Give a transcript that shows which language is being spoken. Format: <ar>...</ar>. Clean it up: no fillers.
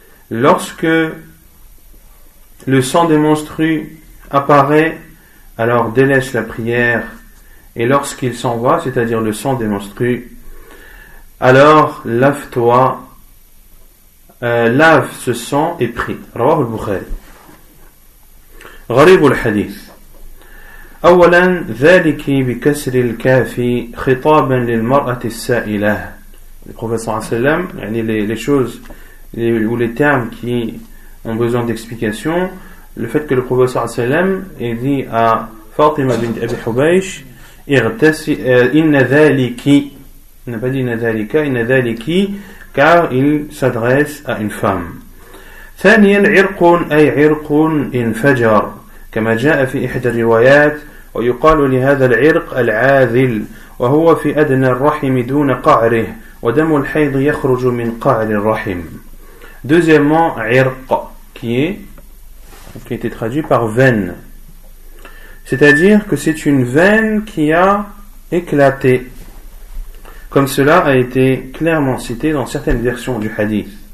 <fr>Lorsque le sang des menstrues apparaît, alors délaisse la prière, et lorsqu'il s'en va, c'est-à-dire le sang des menstrues, alors lave-toi, lave ce sang et prie.</fr> <ar>Rawahu al-Bukhari. Gharib al-Hadith. أولا ذلك بكسر الكاف خطابا للمرأة السائلة.</ar> <fr>Prophète صلى الله عليه وسلم, يعني les choses ou les termes qui ont besoin d'explication, le fait que le Prophète صلى الله عليه وسلم ait dit à Fatima bint Abi Hubaysh,</fr> <ar>inna dhaliki,</ar> <fr>il n'a pas dit inna dhaliki, car il s'adresse à une femme.</fr> <ar>ثانيا عرق أي عرق انفجر كما جاء في إحدى الروايات ويقال لهذا العرق العاذل وهو في أدنى الرحم دون قعره ودم الحيض يخرج من قعر الرحم.</ar> <fr>Deuxièmement, عرق qui était traduit par veine, c'est-à-dire que c'est une veine qui a éclaté, comme cela a été clairement cité dans certaines versions du hadith.</fr>